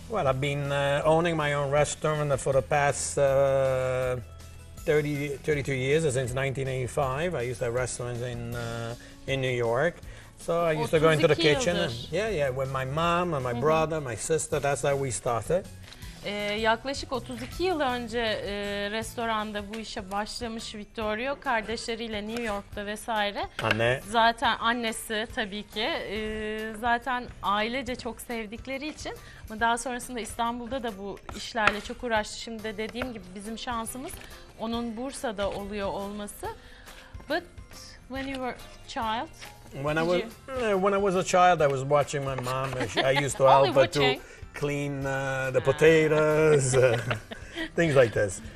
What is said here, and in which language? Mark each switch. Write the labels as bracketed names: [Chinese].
[English] Well, I've been owning my own restaurant for the past 32 years, since 1985. I used to have restaurants in New York. So I used to go into the kitchen. With my mom and my brother, my sister, that's how we started. [Turkish] Yaklaşık 32 yıl önce restoranda bu işe başlamış Vittorio, kardeşleriyle New York'ta vesaire. Anne. Zaten annesi tabii ki. Zaten ailece çok sevdikleri için. Ama daha sonrasında İstanbul'da da bu işlerle çok uğraştı. Şimdi de dediğim gibi bizim şansımız onun Bursa'da oluyor olması. [English] But when you were a child... When I was a child, I was watching my mom. I used to help her to clean the potatoes, things like this.